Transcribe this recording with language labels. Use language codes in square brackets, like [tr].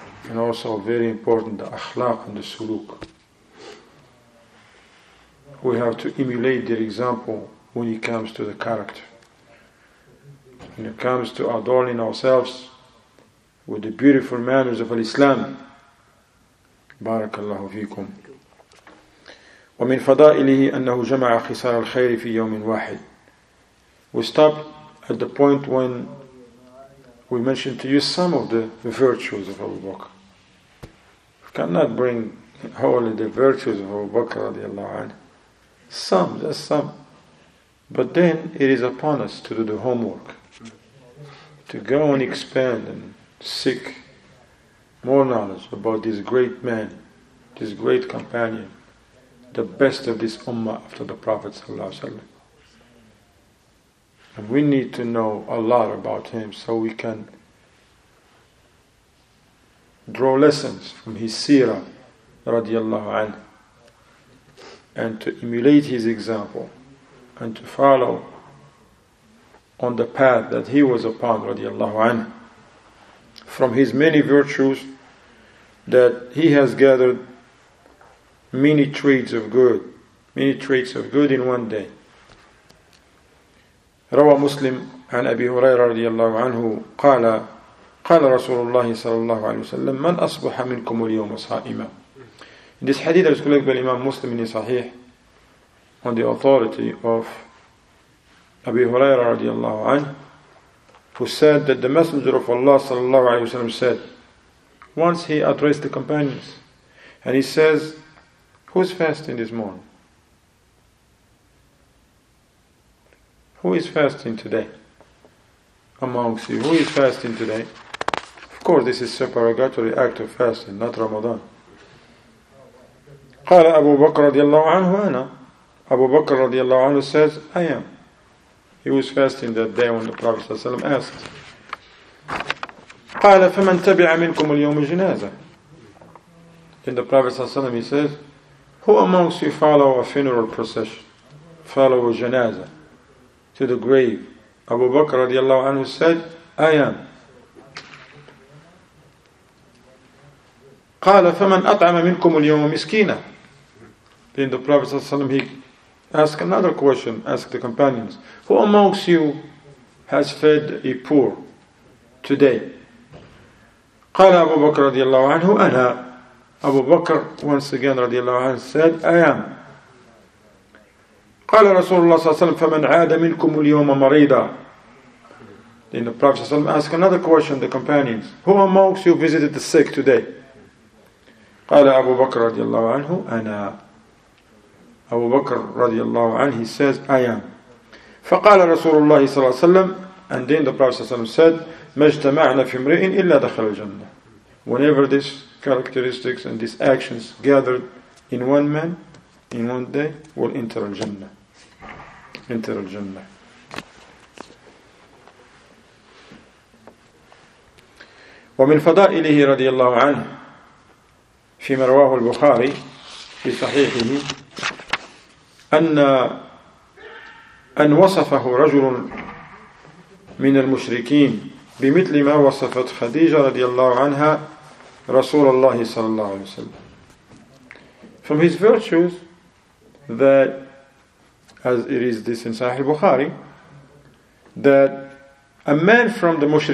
[en] And also very important, the akhlaq and the suluk. We have to emulate their example when it comes to the character. When it comes to adorning ourselves with the beautiful manners of Al-Islam. [ar] Barakallahu feekum. ومن فضائله أنه جمع خصال الخير في يوم واحد. [en] We stopped at the point when we mentioned to you some of the virtues of Abu Bakr. We cannot bring only the virtues of Abu Bakr radiallahu anhu. Some, just some. But then it is upon us to do the homework, to go and expand and seek more knowledge about this great man, this great companion, the best of this ummah after the Prophet sallallahu alaihi wasallam. And we need to know a lot about him so we can draw lessons from his seerah radiallahu anhu, and to emulate his example and to follow on the path that he was upon radiallahu anhu. From his many virtues, that he has gathered many traits of good, many traits of good in one day. [ar] روى مسلم عن أبي هريرة رضي الله عنه قال قال رسول الله صلى الله عليه وسلم من أصبح منكم اليوم صائما. [en] In this hadith is collected by Imam Muslim in his Sahih on the authority of Abi Huraira radiallahu anhu, who said that the Messenger of Allah sallallahu alayhi wa sallam said, once he addressed the companions, and he says, who's fasting this morning? Who is fasting today amongst you? Who is fasting today? Of course, this is a supererogatory act of fasting, not Ramadan. [ar] قال أبو بكر رضي الله عنه أنا. أبو بكر رضي الله عنه [en] says, I am. He was fasting that day when the Prophet [ar] صلى الله عليه وسلم [en] asked. [ar] قال فمن تبع منكم اليوم جنازة. [en] Then the Prophet [ar] صلى الله عليه وسلم, [en] he says, who amongst you follow a funeral procession? Follow a جنازة to the grave. [ar] أبو بكر رضي الله عنه [en] said, I am. [ar] قال فمن أطعم منكم اليوم مسكينة. [en] Then the Prophet ﷺ, he asked another question, asked the companions, who amongst you has fed a poor today? [ar] قال أبو بكر رضي الله عنه أنا. [en] أبو بكر once again [ar] رضي الله عنه [en] said, I am. [ar] قال رسول الله صلى الله عليه وسلم فمن عاد منكم اليوم مريضا. [en] Then the Prophet ﷺ asked another question, the companions, who amongst you visited the sick today? [ar] قال أبو بكر رضي الله عنه أنا. [en] Abu Bakr radiallahu anhu, he says, I am. [ar] فقال رسول الله صلى الله عليه وسلم, [en] and then the Prophet [ar] صلى الله عليه وسلم [en] said, [ar] ما اجتمعنا في امرئ إلا دخل الجنة. [en] Whenever these characteristics and these actions gathered in one man, in one day, will enter الجنة. Enter الجنة. [ar] ومن فضائله رضي الله عنه في رواه البخاري في صحيحه أن وصفه رجل من المشركين بمثل ما وصفت خديجة رضي الله عنها رسول الله صلى الله عليه وسلم. [en] From his virtues, that as it is this in Sahih Bukhari, that a man from the